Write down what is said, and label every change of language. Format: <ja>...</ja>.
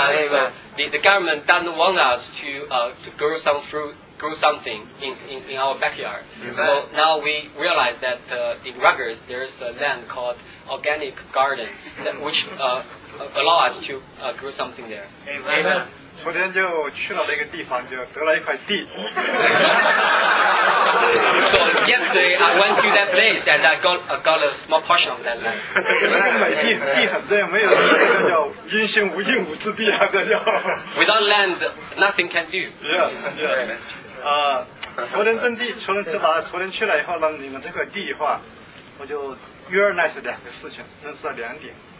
<en>So the government doesn't want us to grow some fruit, grow something in our backyard. Amen. So now we realize that in Rutgers there's a land called organic garden that, which allow us to grow something there. Amen. Amen.</en> <zh>昨天就去了那个地方，就得了一块地。</zh> <en>So yesterday I went to that place and I got a small portion of that land.</en> <zh>那个买地，地很重要，没有地那叫阴心无尽无之地啊，那叫。</zh> <en>Without land, nothing can do. Yeah, yeah.</en> <zh>昨天种地，昨天去了以后呢，你们这块地的话，我就 realize 两个事情，认识了两点。</zh>